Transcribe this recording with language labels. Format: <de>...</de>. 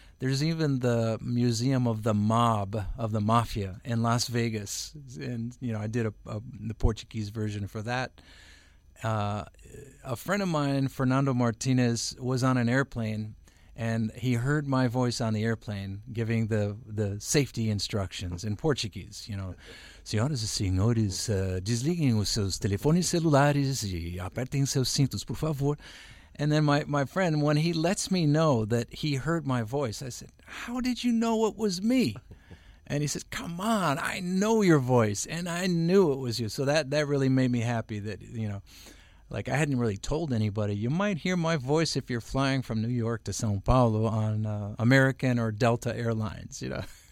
<en>There's even the Museum of the Mob, of the Mafia, in Las Vegas. And, you know, I did the Portuguese version for that. A friend of mine, Fernando Martinez, was on an airplane, and he heard my voice on the airplane giving the safety instructions in Portuguese, you know.</en> <pt>Senhoras e senhores, desliguem os seus telefones celulares e apertem seus cintos, por favor.</pt> <en>And then my friend, when he lets me know that he heard my voice, I said, how did you know it was me? And he says, come on, I know your voice, and I knew it was you. So that really made me happy that, you know, like I hadn't really told anybody, you might hear my voice if you're flying from New York to São Paulo on American or Delta Airlines, you know.</en>